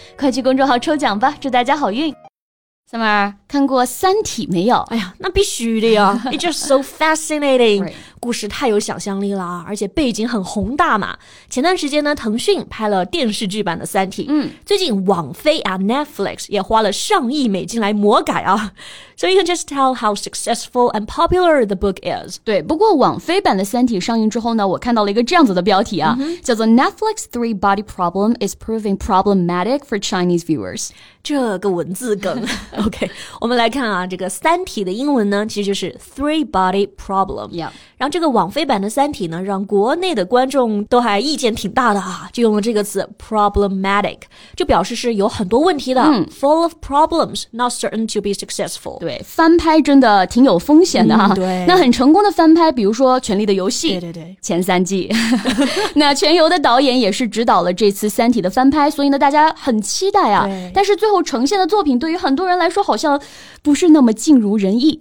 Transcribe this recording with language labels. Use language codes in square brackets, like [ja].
[zh] 快去公众号抽奖吧，祝大家好运。Summer, 看过三体没有？哎呀，那必须的呀。 [en] It's just so fascinating. [zh] 故事太有想象力了，而且背景很宏大嘛。前段时间呢，腾讯拍了电视剧版的三体。嗯，最近网飞啊 ,Netflix 也花了上亿美金来魔改啊。 [en] So you can just tell how successful and popular the book is. [zh] 对，不过网飞版的三体上映之后呢，我看到了一个这样子的标题啊，叫做 [en] Netflix three body problem is proving problematic for Chinese viewers. [zh] 这个文字梗。OK, 我们来看啊，这个三体的英文呢其实就是 three body problem. [en] Yeah. [zh] 然后这个网飞版的三体呢让国内的观众都还意见挺大的啊，就用了这个词 problematic, 就表示是有很多问题的、嗯、 [en] full of problems, not certain to be successful. [zh] 对，翻拍真的挺有风险的啊、嗯、对。那很成功的翻拍比如说权力的游戏，对对对，前三季。那权游的导演也是指导了这次三体的翻拍，所以呢大家很期待啊，但是最后呈现的作品对于很多人来说好像不是那么尽如人意。